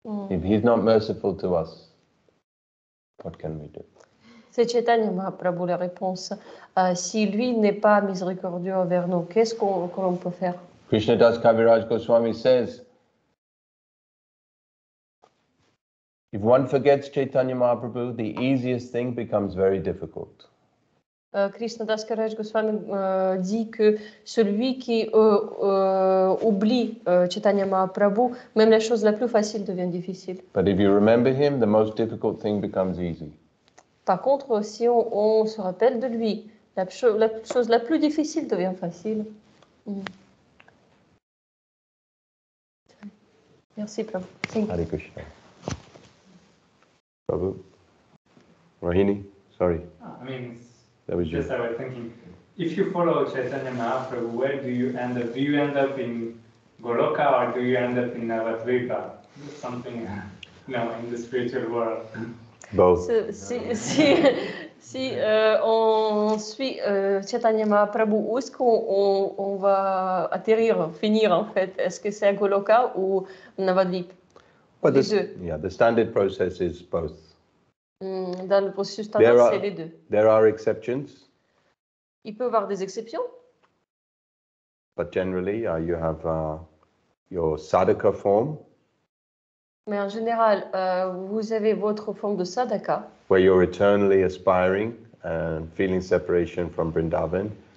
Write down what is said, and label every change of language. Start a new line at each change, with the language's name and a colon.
English: If he's not merciful to us, what can we do?
French: C'est Chaitanya Mahaprabhu la réponse. Si lui n'est pas miséricordieux envers nous, qu'est-ce qu'on peut faire?
English: Krishna Das Kaviraj Goswami says, if one forgets Chaitanya Mahaprabhu, the easiest thing becomes very difficult.
French: Krishna Das Kaviraj Goswami dit que celui qui oublie Chaitanya Mahaprabhu, même la chose la plus facile devient difficile.
English: But if you remember him, the most difficult thing becomes easy.
French: Par contre, si on se rappelle de lui, la chose la plus difficile devient facile. Merci, Prabhu. Hare Krishna.
English: Prabhu. Rohini, sorry. That was just you. I was thinking, if you follow Chaitanya Mahaprabhu, where do you end up? Do you end up in Goloka or do you end up in Navadvipa? Something, you know, in the spiritual world. Both.
French: Si on suit Chaitanya Mahaprabhu, où est-ce qu'on va atterrir, finir en fait? Est-ce que c'est à Goloka ou Navadvipa?
English: Well, the standard process is both.
French: Dans le processus standard, c'est les deux.
English: There are exceptions.
French: Il peut y avoir des exceptions.
English: But generally, you have your sadhaka form.
French: Mais en général, vous avez votre forme de sadhaka.
English: Where you're eternally aspiring and feeling separation from Vrindavan.